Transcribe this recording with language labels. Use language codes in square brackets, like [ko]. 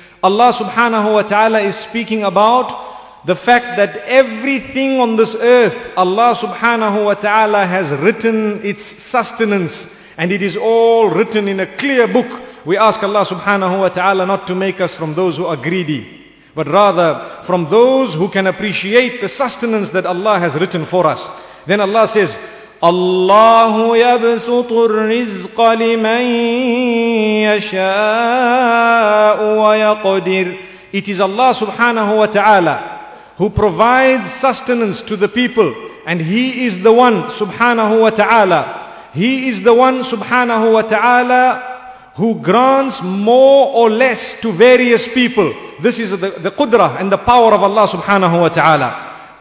[en] Allah subhanahu wa ta'ala is speaking about the fact that everything on this earth, Allah subhanahu wa ta'ala has written its sustenance, and it is all written in a clear book. We ask Allah subhanahu wa ta'ala not to make us from those who are greedy, but rather from those who can appreciate the sustenance that Allah has written for us. Then Allah says, [ar] الله يبسط الرزق لمن يشاء ويقدر. [en] It is Allah subhanahu wa ta'ala who provides sustenance to the people, and He is the one subhanahu wa ta'ala. He is the one subhanahu wa ta'ala who grants more or less to various people. This is the qudrah and the power of Allah subhanahu wa ta'ala.